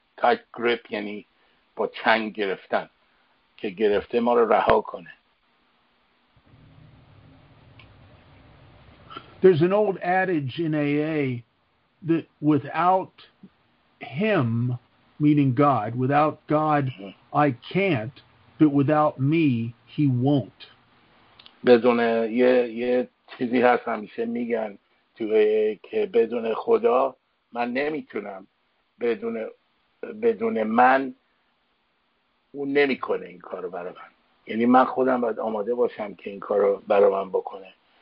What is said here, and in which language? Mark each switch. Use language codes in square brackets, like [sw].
[fa] تایت گریپ یعنی با چنگ گرفتن، که گرفته ما رو رها کنه. [en] There's an old adage in AA that without him, meaning God, without God, I can't, but without me, he won't. [fa] بدون یه چیزی هست همیشه میگن تو AA که بدون خدا من نمیتونم، بدون من اون نمیکنه این کار رو برای من. یعنی من خودم باید آماده باشم که این کار رو برای من بکنه.